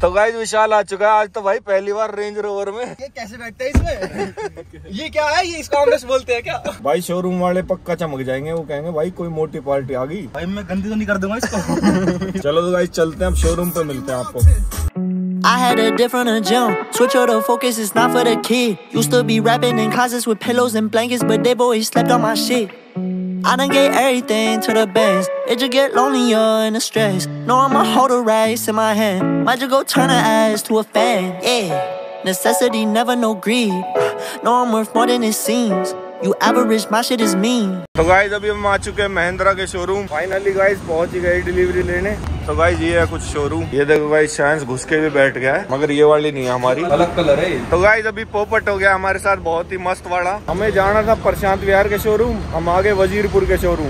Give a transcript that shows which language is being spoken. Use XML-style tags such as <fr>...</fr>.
<hi>तो गाइस विशाल आ चुका है आज, तो भाई पहली बार रेंज रोवर में। ये कैसे बैठते हैं इसमें? ये क्या है, ये इसको हम बोलते हैं क्या? भाई शोरूम वाले पक्का चमक जाएंगे, वो कहेंगे भाई कोई मोटी पार्टी आ गई, भाई मैं गंदी तो नहीं कर दूंगा इसको। चलो तो गाइस चलते हैं अब शोरूम पे, मिलते हैं आपको।</hi> <en>I had a different agenda. Switch out of focus, it's not for the kid. Used to be rapping in closets with pillows and blankets, but they've always slept on my shit. I done gave everything to the bands. It just get lonelier in the stress. No, I'ma hold a race in my hand. Might just go turn her ass to a fan. Yeah. Necessity never no greed. No, I'm worth more than it seems. You average, my shit is mean.</en> <hi>तो guys अभी हम आ चुके हैं महिंद्रा के showroom, finally guys पहुंच गए delivery लेने। तो गाइज ये है कुछ शोरूम, ये देखो गाइज शायंस घुस के भी बैठ गया है, मगर ये वाली नहीं है हमारी, अलग कलर है। तो गाइज अभी पोपट हो गया हमारे साथ बहुत ही मस्त वाला, हमें जाना था प्रशांत विहार के शोरूम, हम आ गए वजीरपुर के शोरूम,</hi>